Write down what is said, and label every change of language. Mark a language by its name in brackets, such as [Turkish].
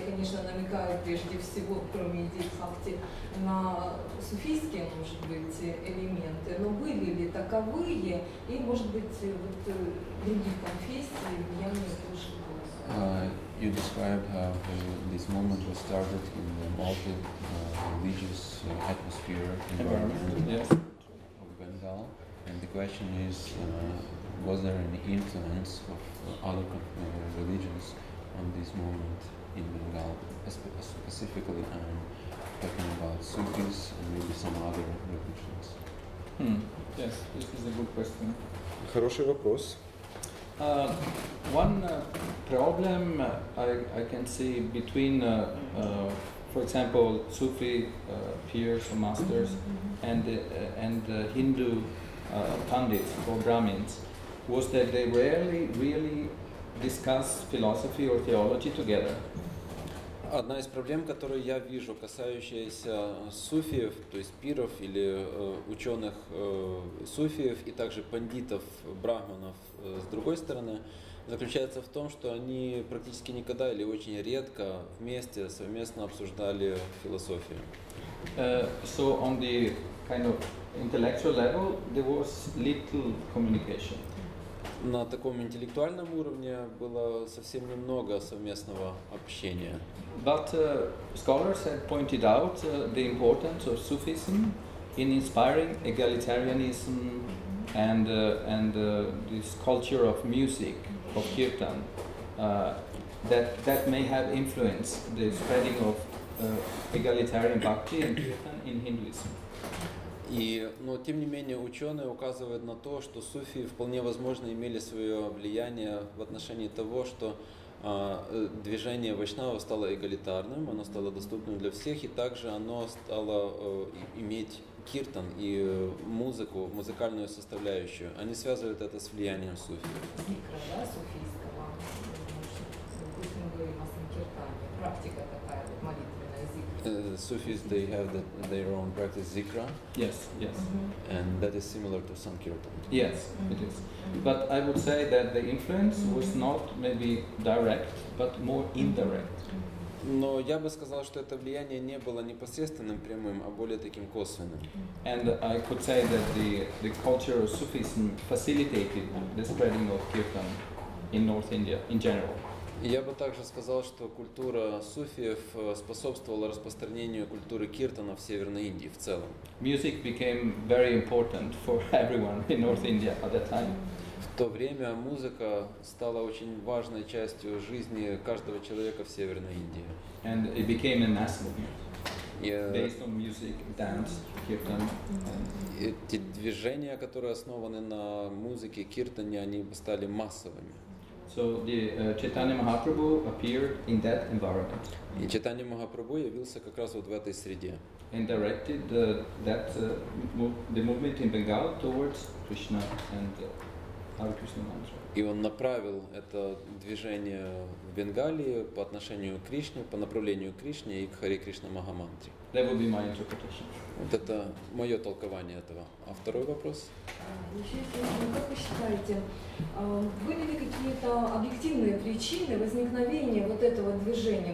[Russian] Я, конечно, намекаю прежде всего, кроме Дикхакти, на суфийские, может быть, элементы, но были ли таковые и, может быть, вот других конфессий влияние тоже было? [English] You described how this movement was started in the multi religious atmosphere environment of Bengal. And the question is, was there any influence of other religions on this movement in Bengal? Specifically, I'm talking about Sufis and maybe some other religions. Yes, this is a good question. [Russian] Хороший вопрос. [English] One problem I can see between, for example, Sufi peers or masters and Hindu pundits or Brahmins was that they rarely really discuss philosophy or theology together. [Russian] Одна із проблем, которую я вижу, касающаяся суфіїв, то есть пиров или учёных суфіїв и также пандитов, брахманов с другой стороны, заключается в том, что они практически никогда или очень редко вместе совместно обсуждали философию. [English] So on the kind of intellectual level there was little communication. [Russian] На таком интеллектуальном уровне было совсем немного совместного общения. [English] But scholars have pointed out the importance of Sufism in inspiring egalitarianism and this culture of music, of kirtan, that may have influenced the spreading of egalitarian bhakti and kirtan in Hinduism. [Russian] Но тем не менее ученые указывают на то, что суфии вполне возможно имели свое влияние в отношении того, что движение вайшнава стало эгалитарным, оно стало доступным для всех, и также оно стало иметь киртан и музыку, музыкальную составляющую. Они связывают это с влиянием суфии. Икра, да, суфийского? [English] Sufis, they have their own practice, zikra. Yes, yes. And that is similar to Sankirtan. Yes, it is. But I would say that the influence was not maybe direct, but more indirect. [Russian] Но я бы сказал, что это влияние не было непосредственным, прямым, а более таким косвенным. [English] And I could say that the culture of Sufism facilitated the spreading of Kirtan in North India in general. [Russian] Я бы также сказал, что культура суфиев способствовала распространению культуры киртана в Северной Индии в целом. [English] Music became very important for everyone in North India at that time. [Russian] В то время музыка стала очень важной частью жизни каждого человека в Северной Индии. [English] And it became a mass movement based on music, dance, kirtan. [Russian] Эти движения, которые основаны на музыке, киртане, они стали массовыми. [English] So the Chaitanya Mahaprabhu appeared in that environment. [Russian] И Чайтанья Махапрабху явился как раз вот в этой среде. [English] And directed the movement in Bengal towards Krishna and Hare Krishna mantra. [Russian] И он направил это движение в Бенгалии по отношению к Кришне, по направлению к Кришне и к Харе Кришна Махамантре. [English] That would be my interpretation. [Russian] Вот это мое толкование этого. А второй вопрос? Еще есть вопрос. Как вы считаете, были ли какие-то объективные причины возникновения вот этого движения?